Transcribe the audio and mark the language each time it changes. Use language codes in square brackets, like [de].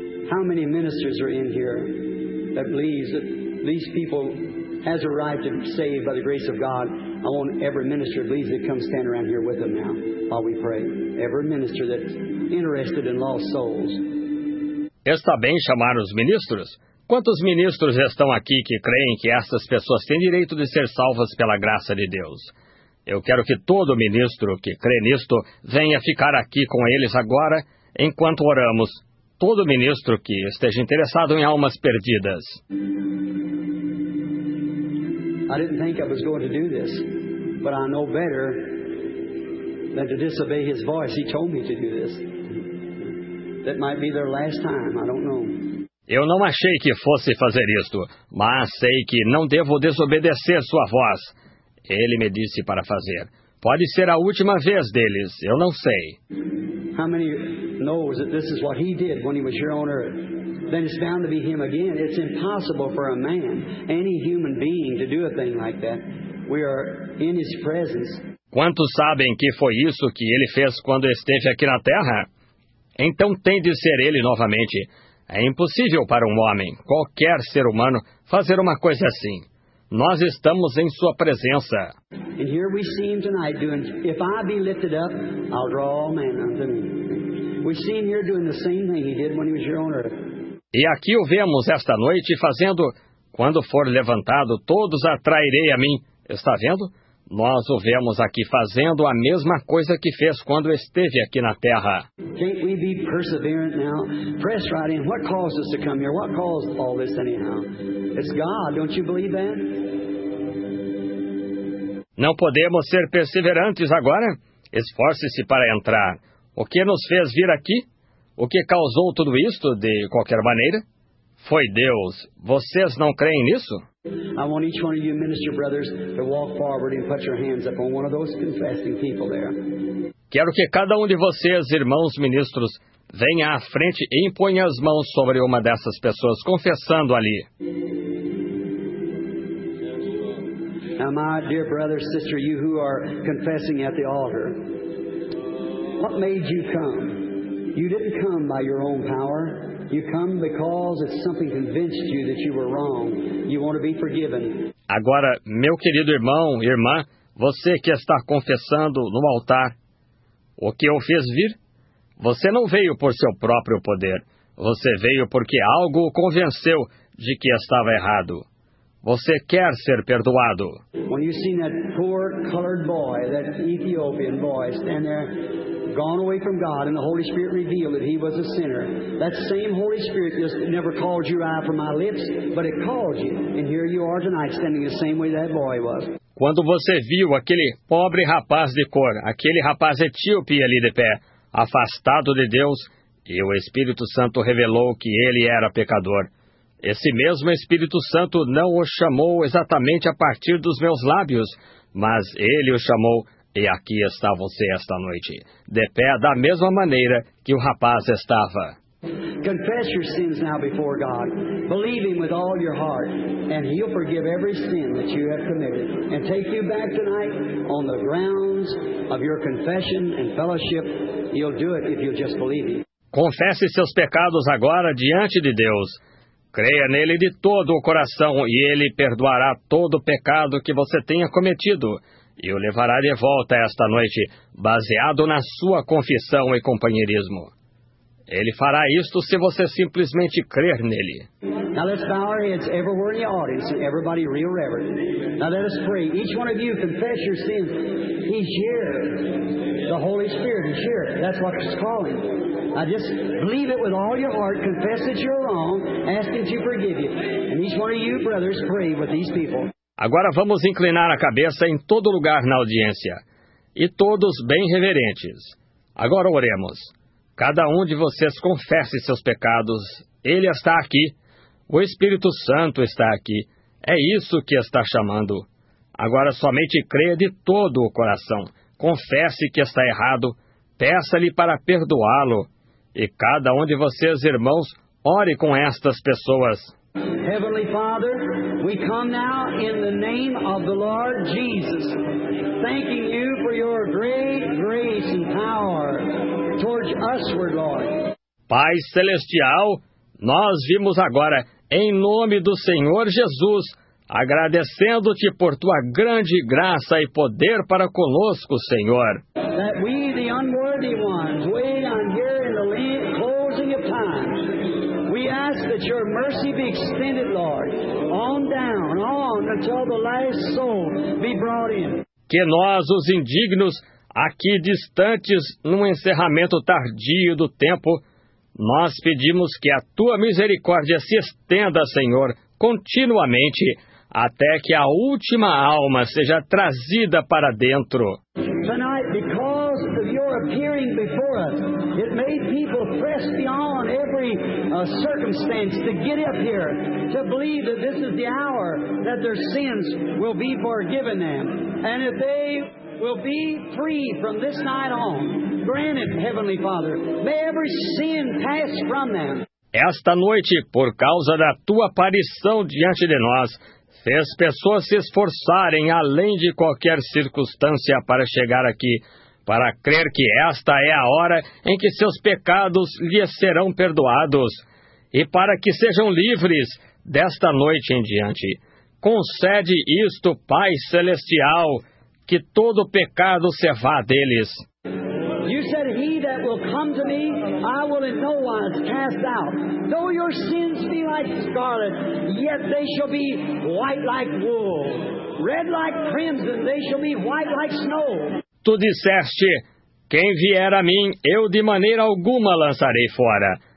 [en] How many ministers are in here that believes that these people has a right to be saved by the grace of God? I want every minister that believes to come stand around here with them now while we pray. Every minister that's interested in lost souls. [pt] Está bem chamar os ministros? Quantos ministros estão aqui que creem que estas pessoas têm direito de ser salvas pela graça de Deus? Eu quero que todo ministro que crê nisto venha ficar aqui com eles agora enquanto oramos. Todo ministro que esteja interessado em almas perdidas. [en] I didn't think I was going to do this, but I know better than to disobey his voice. He told me to do this. That might be their last time, I don't know. [pt] Eu não achei que fosse fazer isto, mas sei que não devo desobedecer sua voz. Ele me disse para fazer. Pode ser a última vez deles, eu não sei. [en] How many knows that this is what he did when he was here on earth? Then it's bound to be him again. It's impossible for a man, any human being, to do a thing like that. We are in his presence. [pt] Quantos sabem que foi isso que ele fez quando esteve aqui na Terra? então tem de ser ele novamente. É impossível para um homem, qualquer ser humano, fazer uma coisa assim. Nós estamos em sua presença. [en] And here we see him tonight doing, if I be lifted up, I'll draw all men unto me. We see him here doing the same thing he did when he was here on earth. [pt] E aqui o vemos esta noite fazendo, quando for levantado, todos atrairei a mim. Está vendo? Nós o vemos aqui fazendo a mesma coisa que fez quando esteve aqui na Terra. [en] Can't we be perseverant now? Press right in. What caused us to come here? What caused all this anyhow? It's God. Don't you believe that? [pt] Não podemos ser perseverantes agora? Esforce-se para entrar. O que nos fez vir aqui? O que causou tudo isto, de qualquer maneira? Foi Deus. Vocês não creem nisso? [en] I want each one of you minister brothers to walk forward and put your hands up on one of those confessing people there. [pt] Quero que cada um de vocês, irmãos ministros, venha à frente e imponha as mãos sobre uma dessas pessoas confessando ali. [en] Now, my dear brother, sister, you who are confessing at the altar, what made you come? You didn't come by your own power. You come because it's something convinced you that you were wrong. You want to be forgiven. [pt] Agora, meu querido irmão, irmã, você que está confessando no altar, o que o fez vir? Você não veio por seu próprio poder. Você veio porque algo o convenceu de que estava errado. Você quer ser perdoado. [en] When you see that poor colored boy, that Ethiopian boy, stand there, gone away from God, and the Holy Spirit revealed that he was a sinner. That same Holy Spirit just never called you out from my lips, but it called you. And here you are tonight, standing the same way that boy was. [pt] Quando você viu aquele pobre rapaz de cor, aquele rapaz etíope ali de pé, afastado de Deus, e o Espírito Santo revelou que ele era pecador. Esse mesmo Espírito Santo não o chamou exatamente a partir dos meus lábios, mas ele o chamou. E aqui está você esta noite, de pé da mesma maneira que o rapaz estava. [en] Confess your sins now before God. Believe him with all your heart, and he'll forgive every sin that you have committed and take you back tonight on the grounds of your confession and fellowship. He'll do it if you'll just believe him. [pt] Confesse seus pecados agora diante de Deus. Creia nele de todo o coração e ele perdoará todo o pecado que você tenha cometido. E o levará de volta esta noite, baseado na sua confissão e companheirismo. Ele fará isto se você simplesmente crer nele. [en] Now let's bow our heads everywhere in the audience, everybody real reverent. Now let us pray. Each one of you confess your sins. He's here. The Holy Spirit is here. That's what he's calling. Now just believe it with all your heart. Confess that you're wrong. Ask him to forgive you. And each one of you brothers pray with these people. [pt] Agora vamos inclinar a cabeça em todo lugar na audiência, e todos bem reverentes. Agora oremos. Cada um de vocês confesse seus pecados. Ele está aqui. O Espírito Santo está aqui. É isso que está chamando. Agora somente creia de todo o coração. Confesse que está errado. Peça-lhe para perdoá-lo. E cada um de vocês, irmãos, ore com estas pessoas. [en] Heavenly Father, we come now in the name of the Lord Jesus, thanking you for your great grace and power towards us, Lord. [pt] Pai Celestial, nós vimos agora, em nome do Senhor Jesus, agradecendo-te por tua grande graça e poder para conosco, Senhor. [en] That we, the unworthy ones, we are here in the land, closing of time. We ask that your mercy be extended, Lord, on down, on, until the last soul be brought in. [pt] Que nós, os indignos, aqui distantes, num encerramento tardio do tempo, nós pedimos que a tua misericórdia se estenda, Senhor, continuamente, até que a última alma seja trazida para dentro. [en] Tonight, because of your appearing before us, it made people press beyond every circumstance to get up here, to believe that this is the hour that their sins will be forgiven them, and that they will be free from this night on. Grant it, Heavenly Father, may every sin pass from them. [pt] Esta noite, por causa da tua aparição diante de nós, fez pessoas se esforçarem além de qualquer circunstância para chegar aqui, para crer que esta é a hora em que seus pecados lhes serão perdoados, e para que sejam livres desta noite em diante. Concede isto, Pai Celestial, que todo pecado se vá deles. [en] You said, he that will come to me, I will in no wise cast out. Though your sins be like scarlet, yet they shall be white like wool. Red like crimson, they shall be white like snow. [pt] Tu disseste, quem vier a mim, eu de maneira alguma lançarei fora.